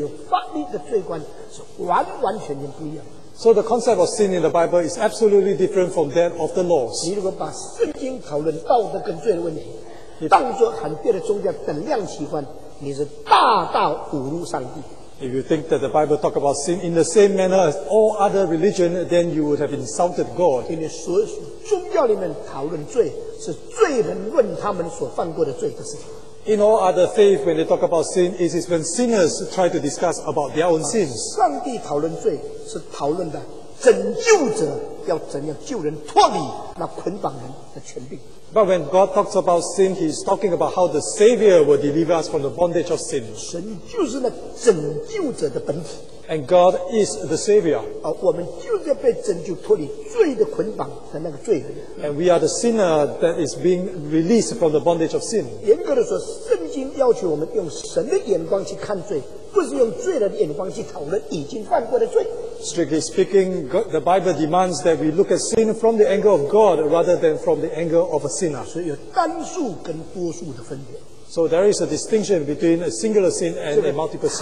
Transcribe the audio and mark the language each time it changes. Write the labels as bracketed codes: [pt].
[zh] 所以圣经里面的罪观跟所有法律的罪观是完完全全不一样。 [en] So the concept of sin in the Bible is absolutely different from that of the laws. [zh] 你如果把圣经讨论道德跟罪的问题, 当作很别的宗教等量齐观，你是大大侮辱上帝。 [en] If you think that the Bible talks about sin in the same manner as all other religion, then you would have insulted God. [zh] 因为所有宗教里面讨论罪，是罪人论他们所犯过的罪的事情。 [en] In all other faith, when they talk about sin, it is when sinners try to discuss about their own sins. [zh] 上帝讨论罪，是讨论的拯救者要怎样救人脱离那捆绑人的权柄。 [en] But when God talks about sin, He is talking about how the Savior will deliver us from the bondage of sin. [zh] 神就是那拯救者的本体。 [en] And God is the Savior. [zh] 我们就是被拯救脱离罪的捆绑的那个罪人。 [en] And we are the sinner that is being released from the bondage of sin. [zh] 严格地说，圣经要求我们用神的眼光去看罪。不是用罪人的眼光去讨论已经犯过的罪。 [en] Strictly speaking, God, the Bible demands that we look at sin from the angle of God rather than from the angle of a sinner. [zh] 所以有单数跟多数的分别。 [en] So there is a distinction between a singular sin and a multiple sin.